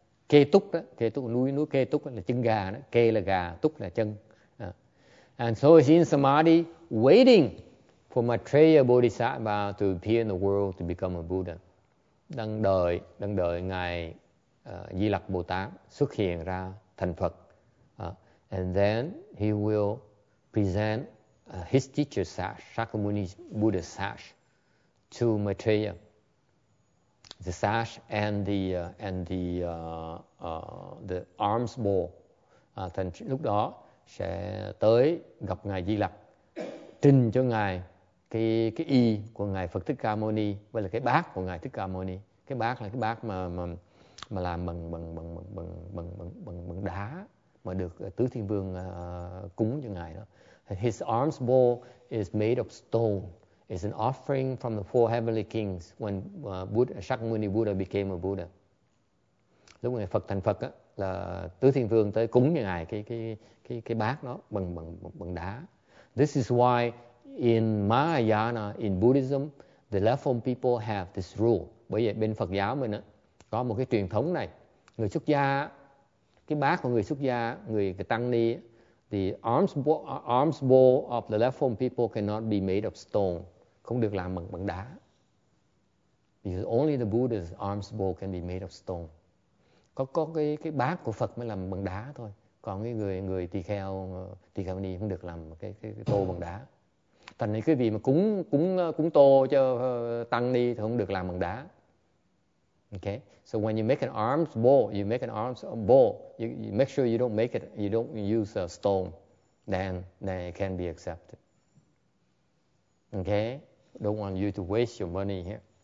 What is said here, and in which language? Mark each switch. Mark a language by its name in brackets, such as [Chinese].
[Vietnamese] Kê túc đó, kê túc, núi kê túc là chân gà đó, kê là gà, túc là chân. [English] And so he's in Samadhi waiting for Maitreya Bodhisattva to appear in the world to become a Buddha. [Vietnamese] Đang đợi Ngài Di Lặc Bồ Tát xuất hiện ra thành Phật. [English] And then he will present his teacher sash, Shakyamuni Buddha sash, to Maitreya. The sash and the arms bowl. [Vietnamese] Thành lúc đó sẽ tới gặp ngài Di Lặc, trình cho ngài cái y của ngài Phật Thích Ca Mâu Ni, với là cái bát của ngài Thích Ca Mâu Ni. Cái bát là cái bát mà làm bằng đá mà được Tứ Thiên Vương cúng cho ngài đó. [English] His arms bowl is made of stone. It's an offering from the four heavenly kings when Shakyamuni Buddha became a Buddha. [Vietnamese] Lúc ngài Phật thành Phật á, là Tứ Thiên Vương tới cúng cho ngài cái bát đó bằng đá. [English] This is why in Mahayana, in Buddhism, the left home people have this rule. [Vietnamese] Bởi vậy bên Phật giáo mình á, có một cái truyền thống này. Người xuất gia, cái bát của người xuất gia, người tăng ni, [English] the arms bowl of the left home people [Vietnamese] cannot be made of stone. Không được làm bằng đá. [English] Because only the Buddha's arms bowl can be made of stone. [Vietnamese] Có cái bát của Phật mới làm bằng đá thôi. Còn cái người tỳ kheo ni không được làm cái tô bằng đá. Thành ra cái vị mà cúng tô cho tăng ni thì không được làm bằng đá. [English] Okay. So when you make an arms bowl, you make sure you don't make it, you don't use a stone, then it can be accepted. Okay. Don't want you to waste your money here.